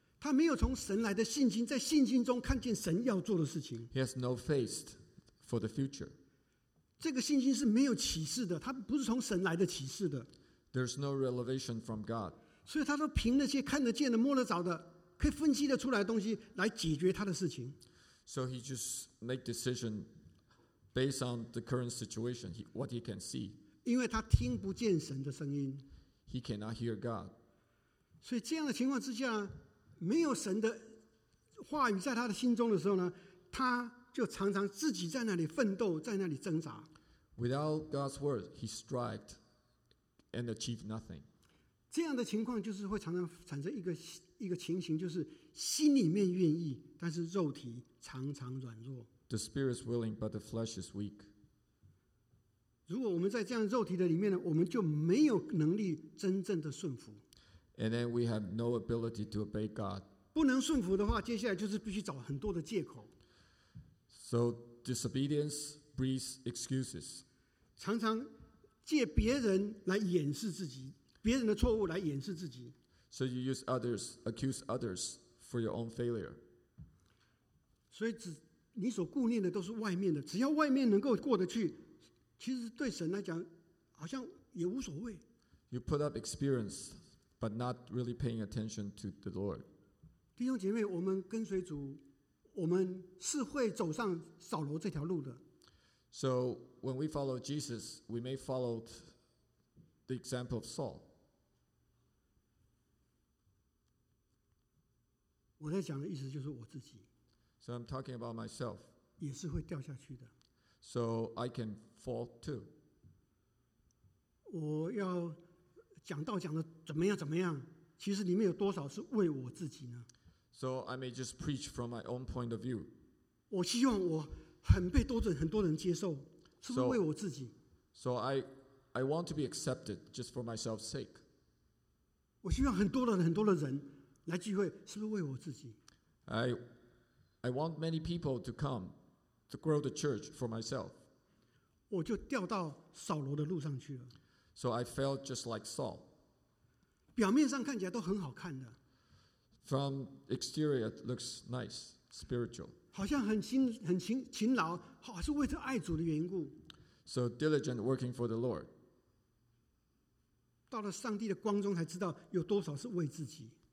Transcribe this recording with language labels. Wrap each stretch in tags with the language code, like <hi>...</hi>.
<zh>他没有从神来的信心，在信心中看见神要做的事情。</zh> <en>He has no faith for the future.</en> <zh>这个信心是没有启示的，他不是从神来的启示的。</zh> <en>There's no revelation from God.</en> <zh>所以他都凭那些看得见的、摸得着的、可以分析的出来的东西来解决他的事情。</zh> <en>So he just make decision based on the current situation, what he can see.</en> <zh>因为他听不见神的声音。</zh> <en>He cannot hear God.</en> <zh>所以这样的情况之下，没有神的话语在他的心中的时候呢，他就常常自己在那里奋斗，在那里挣扎。</zh> <en>Without God's word, he strived. And achieve nothing.</en> <zh>这样的情况就是会常常产生一个情形，就是心里面愿意，但是肉体常常软弱。</zh> <en>The spirit is willing, but the flesh is weak.</en> <zh>如果我们在这样肉体的里面呢，我们就没有能力真正的顺服。</zh> <en>And then we have no ability to obey God.</en> <zh>不能顺服的话，接下来就是必须找很多的借口。</zh> <en>So disobedience breeds excuses.</en> <zh>常常借别人来掩饰自己，别人的错误来掩饰自己。</zh> <en>So you use others, accuse others for your own failure.</en> <zh>所以你所顾念的都是外面的，只要外面能够过得去，其实对神来讲好像也无所谓。</zh> <en>You put up experience, but not really paying attention to the Lord.</en> <zh>弟兄姐妹，我们跟随主，我们是会走上扫罗这条路的。</zh> <en>So when we follow Jesus, we may follow the example of Saul.</en> <zh>我在讲的意思就是我自己。</zh> <en>So I'm talking about myself.</en> <zh>也是会掉下去的。</zh> <en>So I can fall too.</en> <zh>我要讲道讲的怎么样怎么样，其实里面有多少是为我自己呢？</zh> <en>So I may just preach from my own point of view.</en> <zh>我希望我很被多准很多人接受，是不是为我自己？</zh> <en>So I want to be accepted just for myself's sake.</en> <zh>我希望很多的人很多的人来聚会，是不是为我自己？</zh> <en>I want many people to come to grow the church for myself.</en> <zh>我就掉到扫罗的路上去了。</zh> <en>So I felt just like Saul.</en> <zh>表面上看起来都很好看的。</zh> <en>From exterior it looks nice, spiritual.</en> <zh>好像很勤劳，好是为着爱主的缘故。</zh> <en>So diligent working for the Lord.</en> <zh>到了上帝的光中才知道有多少是为自己。</zh>